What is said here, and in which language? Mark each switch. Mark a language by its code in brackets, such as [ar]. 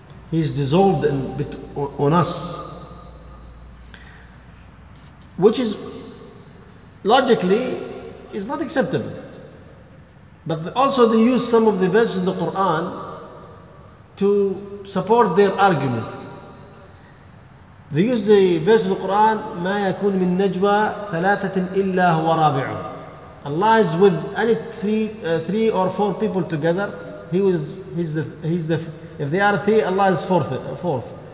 [en] He's dissolved on us. Which is logically, it's not acceptable. But also they use some of the verses in the Quran to support their argument. They use the verse in the Quran, [ar] مَا يَكُونُ مِن نَجْوَى ثَلَاثَةٍ إِلَّا هُوَ رَابِعُهُ. [en] Allah is with three or four people together. He's the. If they are three, Allah is fourth.